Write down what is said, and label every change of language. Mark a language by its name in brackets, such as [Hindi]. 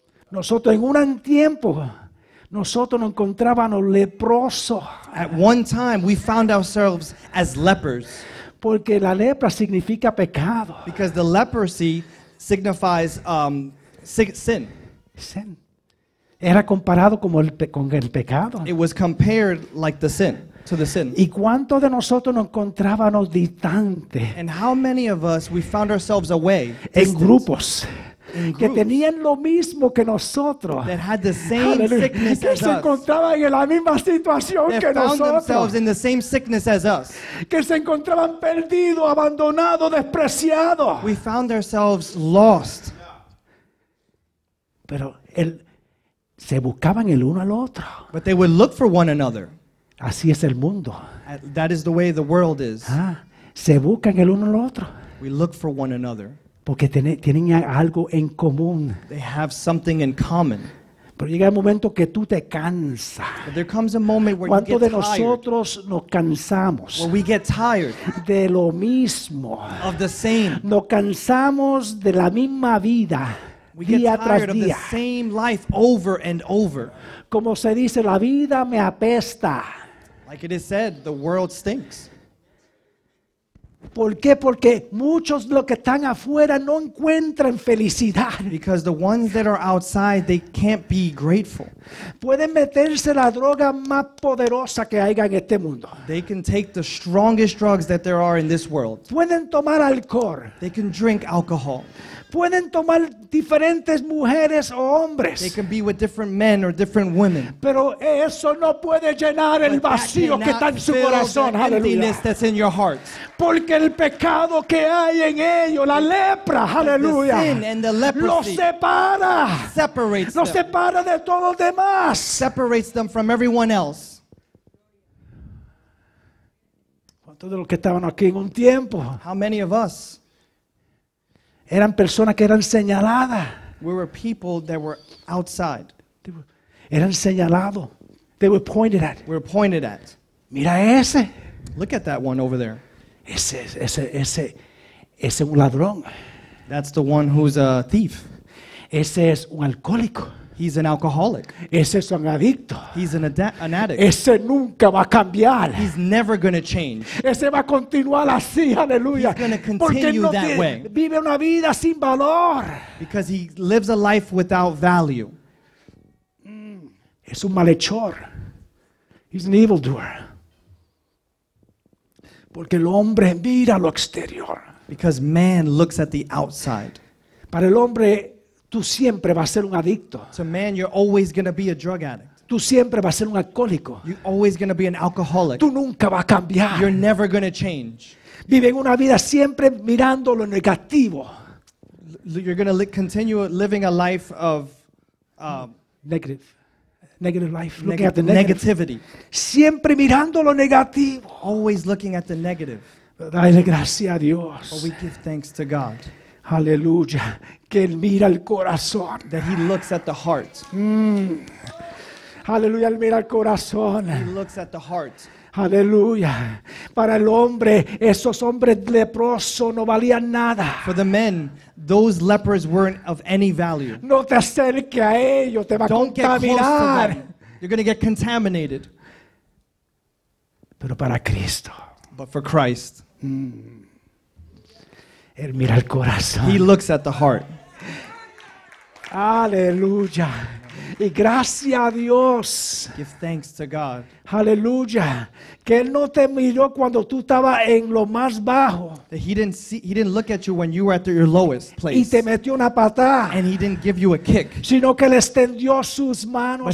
[Spanish] Nosotros en un tiempo, nosotros nos encontrábamos leprosos. [English] At one time, we found ourselves as lepers. [Spanish] Porque la lepra significa pecado. [English] Because the leprosy signifies sin. Sin. [Spanish] Era comparado como el con el pecado. [English] It was compared like the sin. To the sin. [Spanish] ¿Y cuántos de nosotros nos encontrábamos distante? [English] And how many of us we found ourselves away? [Spanish] En grupos que tenían lo mismo que nosotros. [English] That had the same sickness [Spanish] que [English] as us. [Spanish] Que se encontraban en la misma situación [English] that [Spanish] que [English] found [Spanish] nosotros. [English] Themselves in the same sickness as us. [Spanish] Que se encontraban perdido, abandonado, despreciado. [English] We found ourselves lost. [Spanish] Pero se buscaban el uno al otro. [English] But they would look for one another. [Spanish] Así es el mundo. [English] That is the way the world is. [Spanish] Ah, se buscan el uno al otro. [English] We look for one another. [Spanish] Porque tienen algo en común. [English] They have something in common. [Spanish] Pero llega el momento que tú te cansas. [English] But there comes a moment where you get tired. [Spanish] ¿Cuántos de nosotros nos cansamos? [English] Where we get tired. [Spanish] De lo mismo. [English] Of the same. [Spanish] Nos cansamos de la misma vida. [English] We [Spanish] día [English] get tired [Spanish] tras día. [English] Of the same life over and over. [Spanish] Como se dice, la vida me apesta. [English] Like it is said, the world stinks. [Spanish] ¿Por qué? Porque muchos de los que están afuera no encuentran felicidad. [English] Because the ones that are outside, they can't be grateful. [Spanish] Pueden meterse la droga más poderosa que haya en este mundo. [English] They can take the strongest drugs that there are in this world. [Spanish] Pueden tomar alcohol. [English] They can drink alcohol. [Spanish] Pueden tomar diferentes mujeres o hombres. [English] They can be with different men or different women. [Spanish] Pero eso no puede llenar [English] But [Spanish] el vacío que está en su corazón. [English] Emptiness that's in your heart. [Spanish] Porque el pecado que hay en ellos, la lepra, aleluya. [English] The sin and the leprosy. [Spanish] Los separa. [English] Separates [Spanish] los separa [English] them. [Spanish] De todos los demás. [English] Separates them from everyone else. [Spanish] ¿Cuántos de los que estaban aquí en un tiempo? [English] How many of us? [Spanish] Eran personas que eran señaladas. [English] We were people that were outside. [Spanish] Eran señalados. [English] They were pointed at. We were pointed at. [Spanish] Mira ese. [English] Look at that one over there. [Spanish] Ese es un ladrón. [English] That's the one who's a thief. [Spanish] Ese es un alcohólico. [English] He's an alcoholic. [Spanish] Ese es un adicto. [English] He's an addict. [Spanish] Ese nunca va a cambiar. [English] He's never going to change. [Spanish] Ese va a continuar así, aleluya. [English] He's going to continue [Spanish] porque [English] that way. [Spanish] Vive una vida sin valor. [English] Because he lives a life without value. [Spanish] Es un malhechor. [English] He's an evildoer. [Spanish] Porque el hombre mira lo exterior. [English] Because man looks at the outside. [Spanish] Para el hombre, tú siempre vas a ser un adicto. [English] To man, you're always going to be a drug addict. [Spanish] Tú siempre vas a ser un alcohólico. [English] You're always going to be an alcoholic. [Spanish] Tú nunca vas a cambiar. [English] You're never going to change. [Spanish] Vive una vida siempre mirando lo negativo. [English] You're going to continue living a life of negative. Negative life. Looking at the negative. Negativity. [Spanish] Siempre mirando lo negativo. [English] Always looking at the negative. [Spanish] Dale gracias a Dios. [English] But we give thanks to God. [Spanish] Aleluya. Que él mira el corazón. [English] That he looks at the heart. [Spanish] Aleluya, él mira el corazón. [English] He looks at the heart. [Spanish] Aleluya. Para el hombre, esos hombres leprosos no valían nada. [English] For the men, those lepers weren't of any value. [Spanish] No te acerques a ellos, te va a contaminar. [English] Don't get close to them. You're going to get contaminated. [Spanish] Pero para Cristo. [English] But for Christ. [Spanish] Él mira el corazón. [English] He looks at the heart. [Spanish] Aleluya. Y gracias a Dios. [English] Give thanks to God. [Spanish] Aleluya. Que él no te miró cuando tú estabas en lo más bajo. [English] That he didn't look at you when you were at your lowest place. [Spanish] Y te metió una patada. [English] And he didn't give you a kick. [Spanish] Sino que él extendió sus manos